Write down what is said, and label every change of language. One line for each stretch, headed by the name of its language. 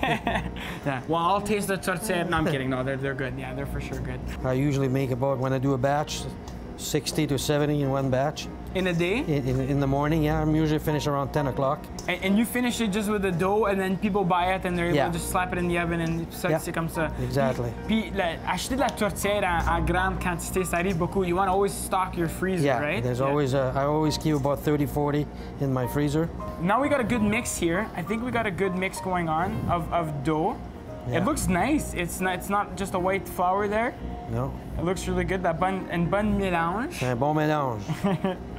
English: Yeah. Well, I'll taste the tourtiere. No, I'm kidding. No, they're good. Yeah, they're for sure good. I usually make about, when I do a batch, 60 to 70 in one batch. In a day? In the morning, yeah. I'm usually finish around 10 o'clock. And you finish it just with the dough, and then people buy it, and they're able to just slap it in the oven, and
French: ça, c'est comme ça.
English: Exactly.
French: Puis, acheter de la tourtiere en grande quantité, ça arrive beaucoup.
English: You want to always stock your freezer, yeah, right? There's always, I always keep about 30, 40 in my freezer. Now we got a good mix here. I think we got a good mix going on of dough. Yeah. It looks nice. It's not just a white flour there. No. It looks really good, that bun and bun mélange.
French: Un bon mélange.